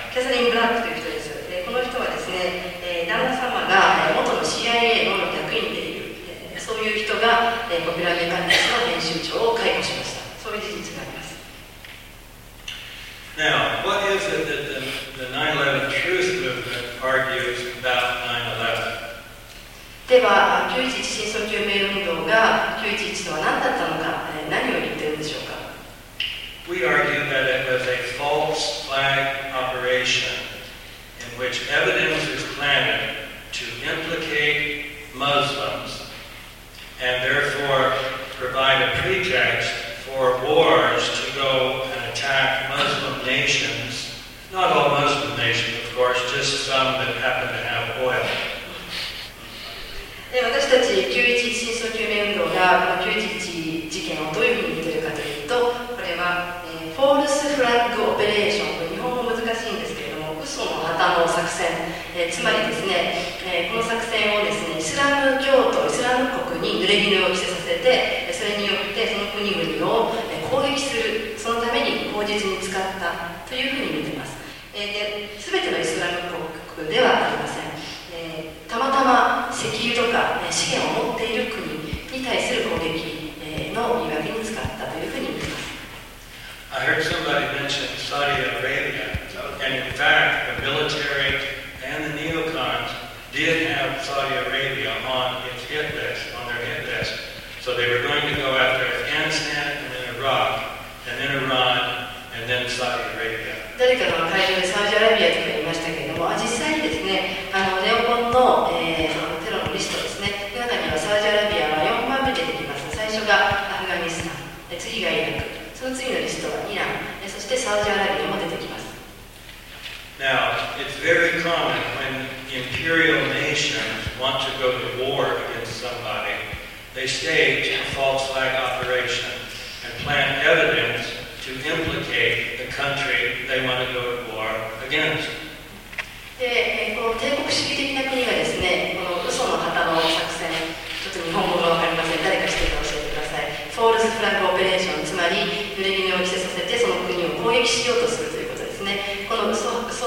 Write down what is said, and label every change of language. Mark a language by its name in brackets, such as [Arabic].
[Japanese] Kathleen Black という人です。この人はですね、旦那様が元の CIA の役員でいる、そういう人がポピュラーメカニクスの編集長を解雇しました。そういう事実があります。 [English] Now, what is it that the 9/11 truth movement argues about 9/11? [Japanese] では、911真相究明運動が911とは何だったのか、何を言っているんでしょうか。 [English] We argue that it was a false flag operationwhich evidence is planted to implicate Muslims and therefore provide a pretext for wars to go and attack Muslim nations, not all Muslim nations of course, just some that happen to have oil. [Japanese] 私たち911真相究明運動が911事件をどういうふうに見ているかというと、これはフォールスフラッグオペレーション、日本語難しいんですけど、その旗の作戦、つまりですね、この作戦をですね、イスラム教徒、イスラム国に濡れ衣を着せさせて、それによってその国々を攻撃するに使ったというふうに見ています。で、全てのイスラム国ではありません。たまたま石油とか、ね、資源を持っている国に対する攻撃の言い訳に使ったというふうに見ています。 [English] I heard somebody mention Saudi Arabia and in fact the military and the neocons did have Saudi Arabia on its hit list, on their hit list. So they were going to go after Afghanistan and then Iraq and then Iran and then Saudi Arabia. [Japanese] 誰かの会場でサウジアラビアとか言いましたけれども、実際にですね、ネオコンの、テロのリストですね、中にはサウジアラビアは4番目出てきます。最初がアフガニスタン、次がイラク、その次のリストはイラン、そしてサウジアラビアも出てきます。 [English] Now, it's very common when imperial nations want to go to war against somebody, they stage a false flag operation and plant evidence to implicate the country they want to go to war against. [Japanese] で、この帝国主義的な国がですね、この嘘の旗の作戦、ちょっと日本語がわかりません。誰か知ってたら教えてください。フォールスフラッグオペレーション、つまり濡れ衣を着せさせてその国を攻撃しようとするということですね。この嘘の旗。